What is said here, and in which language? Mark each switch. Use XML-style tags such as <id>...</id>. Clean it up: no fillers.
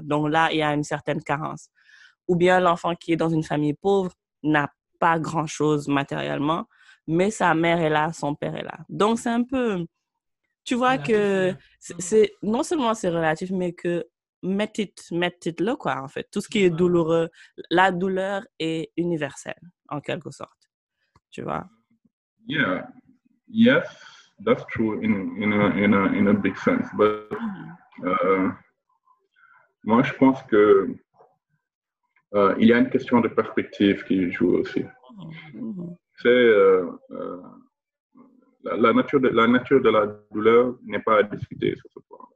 <fr>Donc là, il y a une certaine carence. Ou bien l'enfant qui est dans une famille pauvre n'a pas grand-chose matériellement, mais sa mère est là, son père est là. Donc c'est un peu... Tu vois relatif, que... C'est, non seulement c'est relatif, mais que mettez-le quoi, en fait. Tout ce qui est douloureux, la douleur est universelle, en quelque sorte. Tu vois?</fr> <en>Yeah. Yes, that's true in a big sense.</en> <fr>But moi, je pense que il y a une question de perspective qui joue aussi. Mm-hmm. C'est la nature de la douleur n'est pas à discuter sur ce point.</fr>